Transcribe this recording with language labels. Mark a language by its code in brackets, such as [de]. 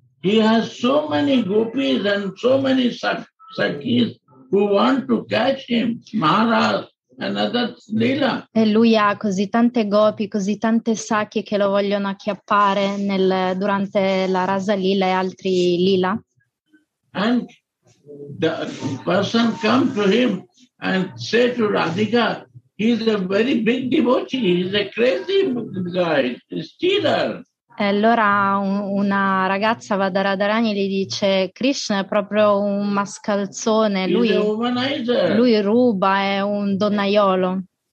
[en] He has so many gopis and so many sakis who want to catch him. Maharaj. [it] E lui ha così tante gopi, così tante sakhi che lo vogliono acchiappare durante la Rasa Lila e altri lila. [en] And the person come to him and say to Radhika, he's a very big devotee, he's a crazy guy, stealer. [it] E allora una ragazza va da Radharani e gli dice: Krishna è proprio un mascalzone, lui ruba, è un donnaiolo.